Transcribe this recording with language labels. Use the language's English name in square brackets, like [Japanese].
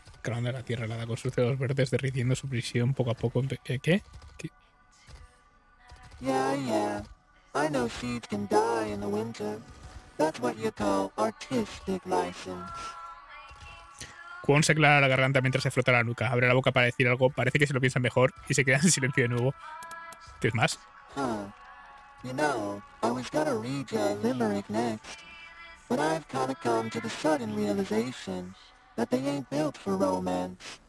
[Spanish] Crown de la tierra helada con sus dedos verdes derritiendo su prisión poco a poco. ¿Qué? ¿Qué? [English] Yeah, yeah. I know seeds can die in the winter. That's what you call artistic license. [Spanish] Quon se aclara la garganta mientras se frota la nuca. Abre la boca para decir algo. Parece que se lo piensa mejor y se queda en silencio de nuevo. ¿Tienes más? Huh. [English] You know, I was gonna read you a limerick next. But I've kinda come to the sudden realization that they ain't built for romance.